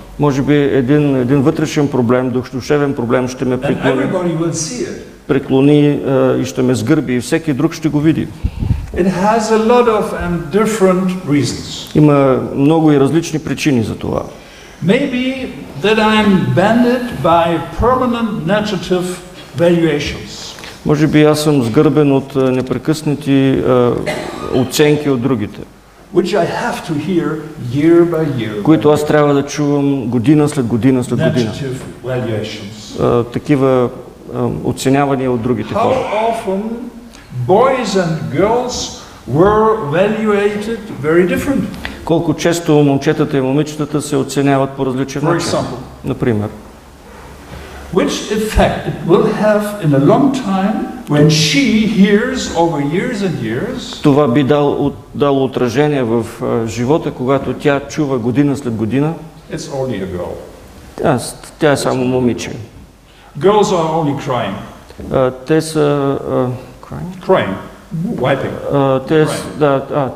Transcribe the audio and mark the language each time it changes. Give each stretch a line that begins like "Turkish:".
Bulgarian: Може би един вътрешен проблем, душевен проблем ще ме приклони.
English: And everybody will see it.
Bulgarian: Преклони и ще ме сгърби и всеки друг ще го види.
English: It has a lot of and different reasons.
Bulgarian: Има много и различни причини за това.
English: Maybe that I am banded by permanent negative valuations.
Bulgarian: Може би аз съм сгърбен от непрекъснати оценки от другите.
English: Which I have to hear year by year.
Bulgarian: Които аз трябва да чувам година след година след година.
English: Negative valuations.
Bulgarian: Такива оценявания от другите хора.
English: How often boys and girls were evaluated very different.
Bulgarian: Колко често момчетата и момичетата се оценяват по различен начин. Например.
English: Which effect it will have in a long time when she hears over years and years?
Bulgarian: Това би дало отражение в живота, когато тя чува година след година.
English: It's only a girl.
Bulgarian: Тя е само момиче.
English: Girls are only crying.
Bulgarian: Те са crying.
English: Crying. Wiping.